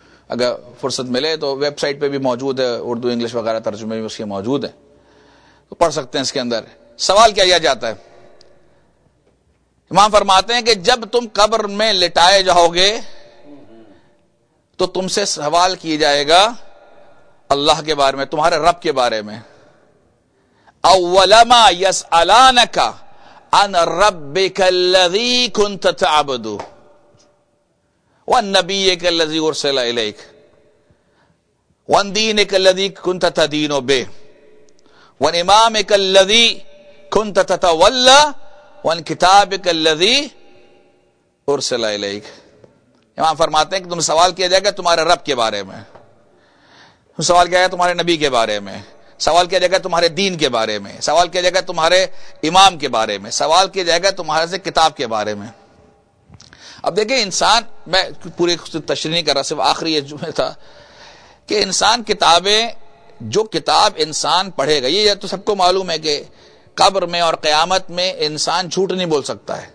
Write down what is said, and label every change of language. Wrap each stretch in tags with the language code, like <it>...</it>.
<ur>اگر فرصت ملے تو ویب سائٹ پہ بھی موجود ہے, اردو انگلش وغیرہ ترجمے بھی اس کے موجود ہیں, تو پڑھ سکتے ہیں. اس کے اندر سوال کیا جاتا ہے, امام فرماتے ہیں کہ جب تم قبر میں لٹائے جاؤ گے تو تم سے سوال کیا جائے گا اللہ کے بارے میں, تمہارے رب کے بارے میں.</ur> <ar>اولما یسالانک عن ربک الذی کنت تعبد ونبیک الذی ارسل الیک ون دینک الذی کنت تدین بہ ون امامک الذی کنت تتولى ون کتابک الذی ارسل الیک.</ar> <ur>امام فرماتے ہیں کہ تم سوال کیا جائے گا تمہارے رب کے بارے میں, سوال کیا جائے گا تمہارے نبی کے بارے میں, سوال کیا جائے گا تمہارے دین کے بارے میں, سوال کیا جائے گا تمہارے امام کے بارے میں, سوال کیا جائے گا تمہارے سے کتاب کے بارے میں. اب دیکھیں انسان, میں پوری تشریح نہیں کر رہا, صرف آخری یہ جملہ تھا کہ انسان کتابیں, جو کتاب انسان پڑھے گا, یہ تو سب کو معلوم ہے کہ قبر میں اور قیامت میں انسان جھوٹ نہیں بول سکتا ہے.</ur>